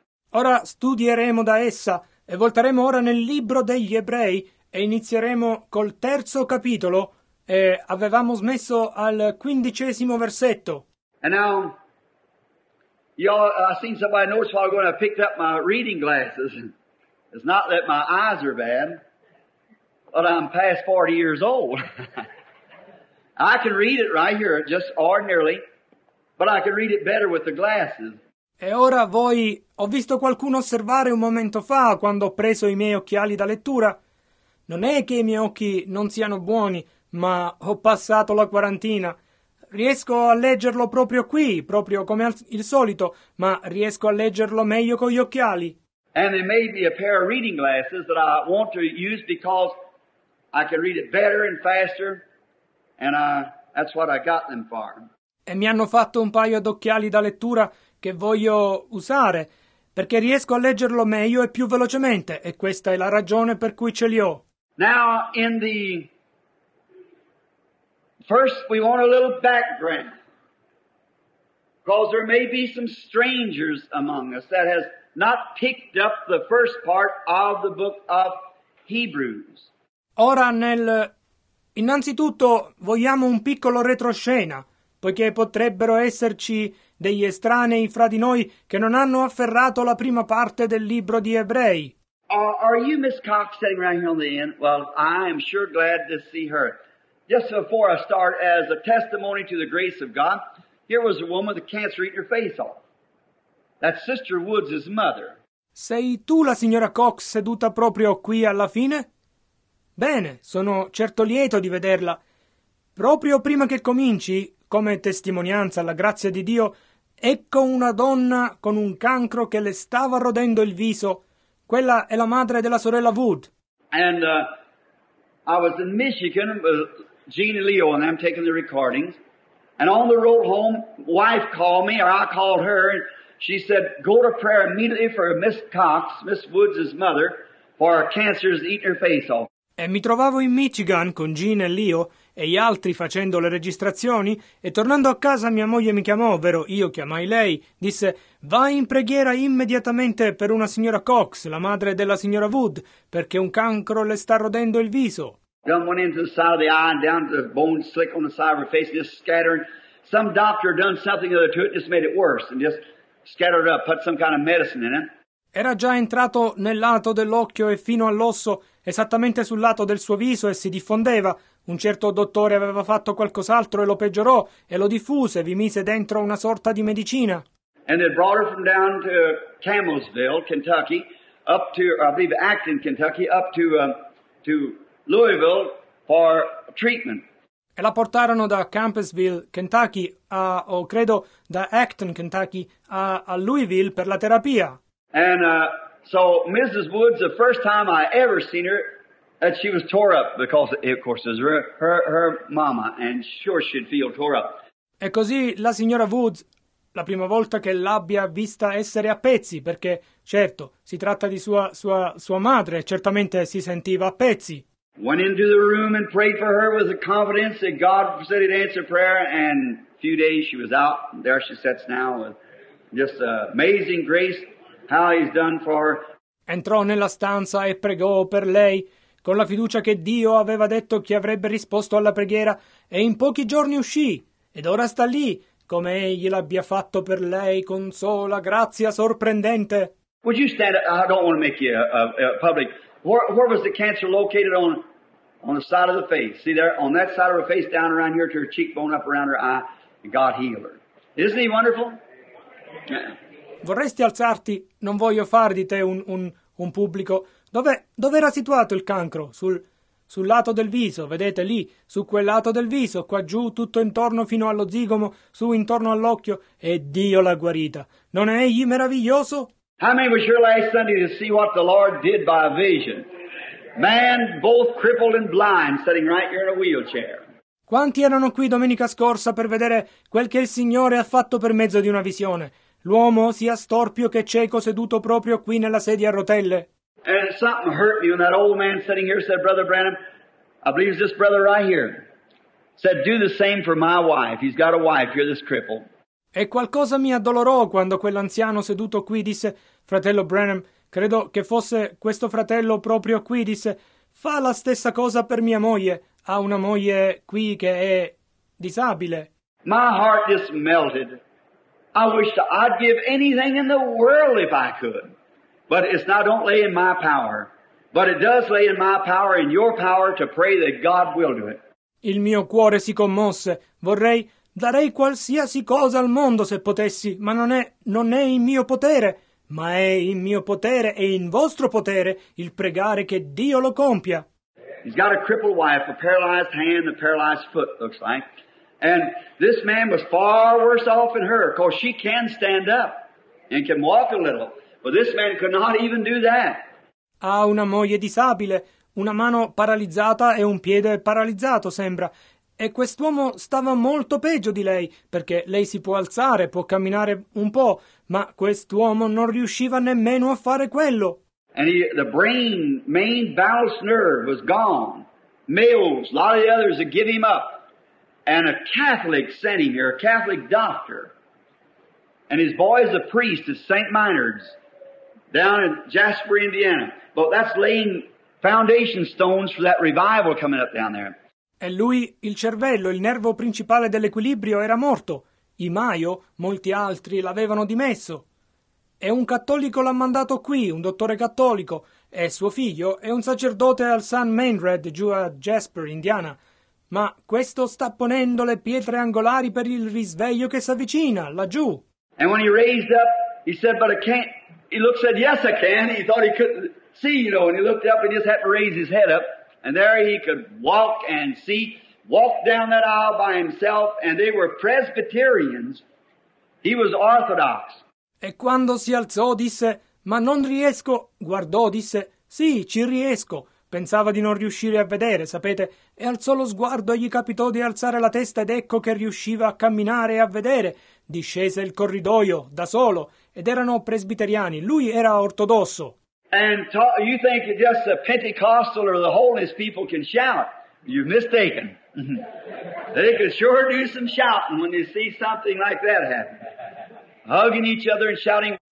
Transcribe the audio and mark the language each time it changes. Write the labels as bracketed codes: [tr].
[it] Ora studieremo da essa e volteremo ora nel libro degli Ebrei e inizieremo col terzo capitolo e avevamo smesso al 15° versetto. [en] And now, y'all, I seen somebody notice while I'm going to pick up my reading glasses. It's not that my eyes are bad, but I'm past 40 years old. I can read it right here, just ordinarily, but I can read it better with the glasses. [it] E ora voi, ho visto qualcuno osservare un momento fa, quando ho preso i miei occhiali da lettura. Non è che i miei occhi non siano buoni, ma ho passato la quarantina. Riesco a leggerlo proprio qui, proprio come il solito, ma riesco a leggerlo meglio con gli occhiali. [en] And there may be a pair of reading glasses that I want to use because I can read it better and faster, and that's what I got them for. [it] E mi hanno fatto un paio d'occhiali da lettura che voglio usare, perché riesco a leggerlo meglio e più velocemente, e questa è la ragione per cui ce li ho. [en] Now, in the first, we want a little background, because there may be some strangers among us that has not picked up the first part of the book of Hebrews. [it] Ora, innanzitutto, vogliamo un piccolo retroscena, poiché potrebbero esserci degli estranei fra di noi che non hanno afferrato la prima parte del libro di Ebrei. [en] Are you Miss Cox sitting right here on the end? Well, I am sure glad to see her. Just before I start, as a testimony to the grace of God, here was a woman with cancer eating her face off. That's Sister Woods' mother. [it] Sei tu la signora Cox seduta proprio qui alla fine? Bene, sono certo lieto di vederla. Proprio prima che cominci, come testimonianza alla grazia di Dio, ecco una donna con un cancro che le stava rodendo il viso. Quella è la madre della sorella Wood. [en] And I was in Michigan with Jean and Leo, and I'm taking the recordings. And on the road home, wife called me, or I called her, and she said, go to prayer immediately for Miss Cox, Miss Woods' mother, for her cancer is eating her face off. [it] E mi trovavo in Michigan con Jean e Leo e gli altri facendo le registrazioni, e tornando a casa mia moglie mi chiamò, ovvero io chiamai lei, disse, vai in preghiera immediatamente per una signora Cox, la madre della signora Wood, perché un cancro le sta rodendo il viso. [en] Gun went into the side of the eye and down to the bone slick on the side of her face, just scattering. Some doctor done something other to it, just made it worse, and just scattered it up, put some kind of medicine in it. [it] Era già entrato nel lato dell'occhio e fino all'osso, esattamente sul lato del suo viso, e si diffondeva. Un certo dottore aveva fatto qualcos'altro e lo peggiorò, e lo diffuse, vi mise dentro una sorta di medicina. [en] And they brought her from down to Camelsville, Kentucky, up to, I believe, Acton, Kentucky, up to Louisville for treatment. [it] E la portarono da Campbellsville, Kentucky, da Acton, Kentucky, a Louisville per la terapia. [en] And so Mrs. Woods, the first time I ever seen her, that she was tore up because, of course, it was her mama, and sure she'd feel tore up. [it] E così la signora Woods, la prima volta che l'abbia vista essere a pezzi, perché, certo, si tratta di sua madre, certamente si sentiva a pezzi. [en] Went into the room and prayed for her with the confidence that God said he'd answer prayer, and a few days she was out, and there she sits now with just amazing grace. How he's done for her. [it] Entrò nella stanza e pregò per lei, con la fiducia che Dio aveva detto che avrebbe risposto alla preghiera, e in pochi giorni uscì, ed ora sta lì, come egli l'abbia fatto per lei con sola grazia sorprendente. [en] Would you stand up? I don't want to make you public. Where was the cancer located on on the side of the face. See there, on that side of her face, down around here to her cheekbone, up around her eye, and God healed her. Isn't he wonderful? [it] Yeah. Vorresti alzarti? Non voglio far di te un pubblico. Dove era situato il cancro? Sul lato del viso, vedete lì, su quel lato del viso, qua giù, tutto intorno fino allo zigomo, su intorno all'occhio, e Dio l'ha guarita. Non è egli meraviglioso? [en] How many were sure last Sunday to see what the Lord did by a vision? Man, both crippled and blind, sitting right here in a wheelchair. [it] Quanti erano qui domenica scorsa per vedere quel che il Signore ha fatto per mezzo di una visione? L'uomo sia storpio che cieco seduto proprio qui nella sedia a rotelle. [en] And something hurt me when that old man sitting here said, Brother Branham, I believe it's this brother right here, said, do the same for my wife. He's got a wife. You're this cripple. [it] E qualcosa mi addolorò quando quell'anziano seduto qui disse, Fratello Branham, credo che fosse questo fratello proprio qui, disse, fa la stessa cosa per mia moglie. Ha una moglie qui che è disabile. [en] My heart just melted. I wish I'd give anything in the world if I could. But it's not don't lay in my power, but it does lay in my power, in your power, to pray that God will do it. [it] Il mio cuore si commosse. Vorrei, darei qualsiasi cosa al mondo se potessi, ma non è in mio potere, ma è in mio potere e in vostro potere il pregare che Dio lo compia. [en] He's got a crippled wife, a paralyzed hand, a paralyzed foot, looks like. And this man was far worse off than her, because she can stand up and can walk a little. But this man could not even do that. [it] Ha una moglie disabile, una mano paralizzata e un piede paralizzato, sembra. E quest'uomo stava molto peggio di lei, perché lei si può alzare, può camminare un po', ma quest'uomo non riusciva nemmeno a fare quello. [en] And the brain, main vagus nerve was gone. Males, a lot of the others had given him up. And a Catholic sent him here, a Catholic doctor. And his boy is a priest at St. Minard's. Down in Jasper, Indiana. But that's laying foundation stones for that revival coming up down there. [it] E lui, il cervello, il nervo principale dell'equilibrio, era morto. I Mayo, molti altri, l'avevano dimesso. E un cattolico l'ha mandato qui, un dottore cattolico. E suo figlio è un sacerdote al St. Mainred, giù a Jasper, Indiana. Ma questo sta ponendo le pietre angolari per il risveglio che si avvicina, laggiù. [en] And when he raised up, he said, but I can't. He looked, said, yes, I can. He thought he couldn't see, you know, and he looked up and just had to raise his head up. And there he could walk and see, walk down that aisle by himself, and they were Presbyterians. He was Orthodox. [it] E quando si alzò, disse, ma non riesco, guardò, disse, sì, ci riesco. Pensava di non riuscire a vedere, sapete, e alzò lo sguardo e gli capitò di alzare la testa ed ecco che riusciva a camminare e a vedere. Discese il corridoio, da solo, ed erano presbiteriani, lui era ortodosso. [en] And you think it's just the Pentecostal or the Holiness people can shout? You're mistaken. They could sure do some shouting when they see something like that happen. Hugging each other and shouting.